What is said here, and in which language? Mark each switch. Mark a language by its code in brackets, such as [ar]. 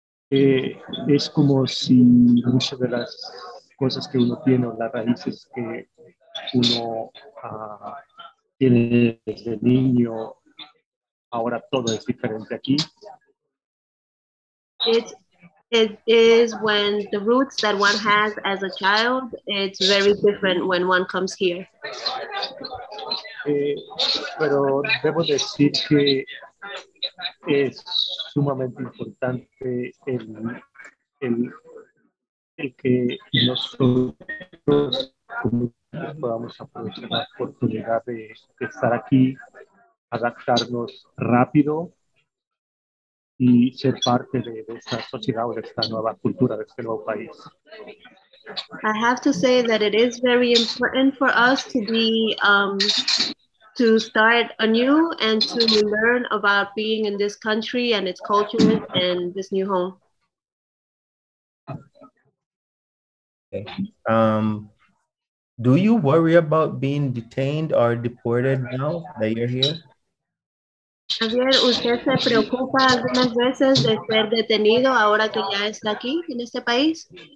[es] Es como si muchas de las cosas que uno tiene o las raíces que uno tiene desde niño, ahora todo es diferente aquí. [en] It is when the roots that one has as a child, it's very different when one comes here. [es] Pero debo decir que es sumamente importante el que nosotros podamos aprovechar la oportunidad de estar aquí, adaptarnos rápido y ser parte de esta sociedad o de esta nueva cultura, de este nuevo país. [en] I have to say that it is very important for us to be to start anew and to learn about being in this country and its culture and this new home. Okay. Do you worry about being detained or deported now that you're here? [es] Javier, ¿usted se preocupa algunas veces de ser detenido ahora que ya está aquí, en este país?